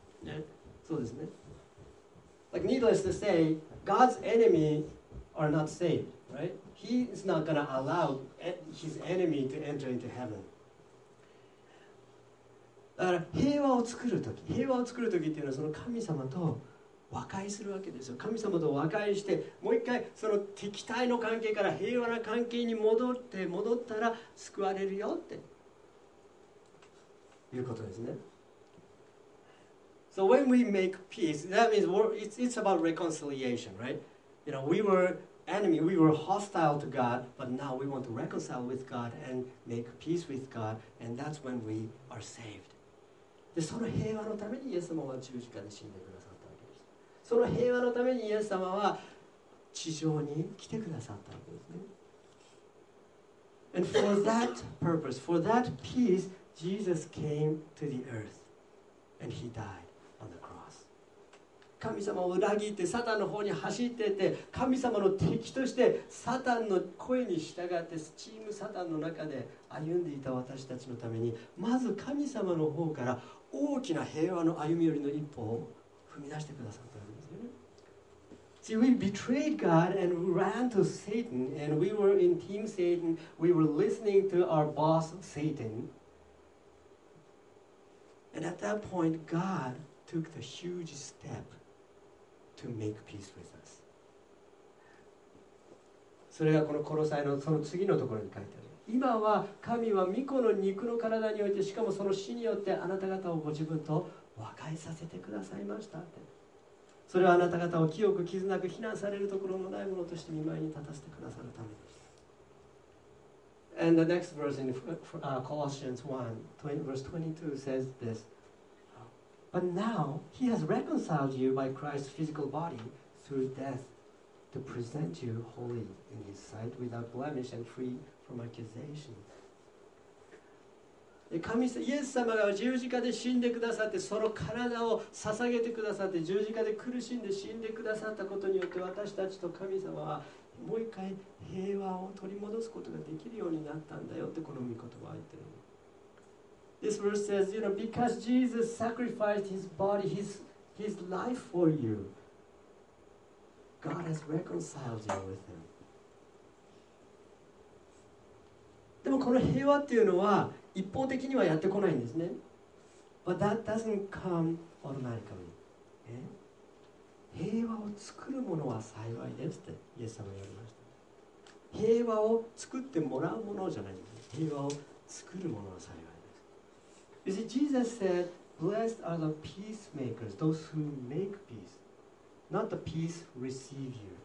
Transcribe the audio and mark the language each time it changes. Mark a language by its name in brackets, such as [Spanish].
[Japanese] ね、そうですね。 [English] Like, needless to say, God's enemy are not saved. Right? He's not going to allow his enemy to enter into heaven. [Japanese] だから平和を作るとき、平和を作るときっていうのはその神様と和解するわけですよ。神様と和解して、もう一回その敵対の関係から平和な関係に戻ったら救われるよっていうことですね。 [English] So when we make peace, that means it's about reconciliation, right? You know, we wereEnemy, we were hostile to God, but now we want to reconcile with God and make peace with God, and that's when we are saved. [Japanese] で、その平和のためにイエス様は十字架で死んでくださったわけです。その平和のためにイエス様は地上に来てくださったわけですね。 [English] And for that purpose, for that peace, Jesus came to the earth, and he died. [Japanese] 神様を裏切ってサタンの方に走っていって、神様の敵としてサタンの声に従ってスチームサタンの中で歩んでいた私たちのために、まず神様の方から大きな平和の歩み寄りの一歩を踏み出してくださったんですよね。 [English] See, we betrayed God and we ran to Satan and we were in Team Satan. We were listening to our boss Satan. And at that point, Godtook the huge step to make peace with us. [Japanese] それがこのコロサイのその次のところに書いてある。今は神は御子の肉の体においてしかもその死によってあなた方をご自分と和解させてくださいましたって。それはあなた方を清く傷なく非難されるところのないものとして御前に立たせてくださるためです。 [English] And the next verse in Colossians 1, verse 22 says this. But now, he has reconciled you by Christ's physical body through death to present you holy in his sight without blemish and free from accusation. [Japanese] イエス様が十字架で死んでくださって、その体を捧げてくださって、十字架で苦しんで死んでくださったことによって、私たちと神様はもう一回平和を取り戻すことができるようになったんだよって、この御言葉は言ってる。 [English] This verse says, you know, because Jesus sacrificed his body, his life for you, God has reconciled you with him. [Japanese] でもこの平和っていうのは一方的にはやってこないんですね。 [English] But that doesn't come automatically.、Okay? [Japanese] 平和を作るものは幸いですってイエス様が言いました。平和を作ってもらうものじゃないんです。平和を作るものは幸い。 [English] You see, Jesus said, blessed are the peacemakers, those who make peace, not the peace receivers.